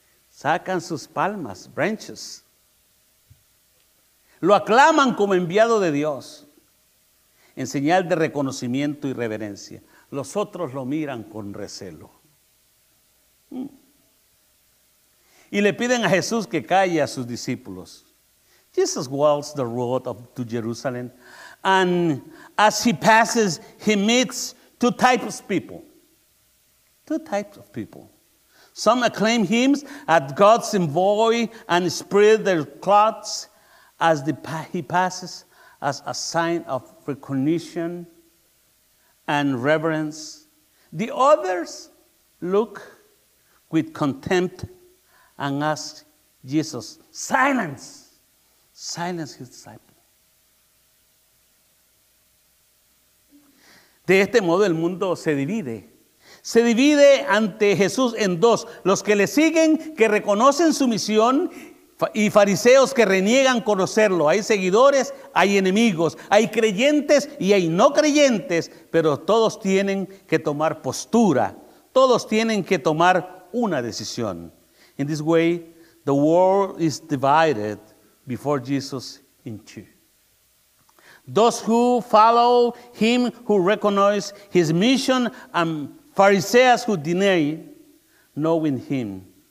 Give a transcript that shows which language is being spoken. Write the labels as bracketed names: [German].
[Spanish] Sacan sus palmas, branches. Lo aclaman como enviado de Dios. En señal de reconocimiento y reverencia. Los otros lo miran con recelo. Y le piden a Jesús que calle a sus discípulos. [English] Jesus walks the road up to Jerusalem, and as he passes, he meets two types of people. Two types of people. Some acclaim him as God's envoy and spread their cloths as he passes as a sign of recognition and reverence. The others look with contempt and asked Jesus, silence, silence his disciple. [Spanish] De este modo el mundo se divide. Se divide ante Jesús en dos. Los que le siguen, que reconocen su misión, y fariseos que reniegan conocerlo. Hay seguidores, hay enemigos, hay creyentes y hay no creyentes, pero todos tienen que tomar postura. Todos tienen que tomar una decisión. [English] In this way, the world is divided before Jesus in two. Those who follow him who recognize his mission and Pharisees who deny knowing him.